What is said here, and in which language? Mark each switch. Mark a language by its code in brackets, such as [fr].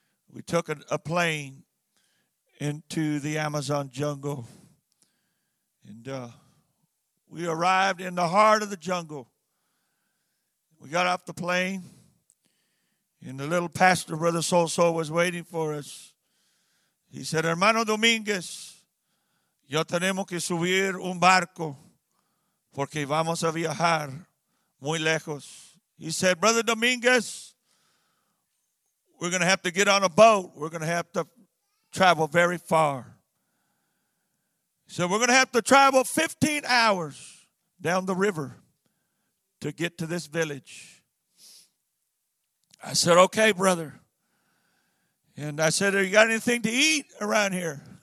[en] We took a plane into the Amazon jungle, And we arrived in the heart of the jungle. We got off the plane, and the little pastor, Brother So-So, was waiting for us. [es] He said, Hermano Dominguez, ya tenemos que subir un barco porque vamos a viajar muy lejos. [en] He said, Brother Dominguez, we're going to have to get on a boat. We're going to have to travel very far. So we're going to have to travel 15 hours down the river to get to this village. I said, okay, brother. And I said, have you got anything to eat around here?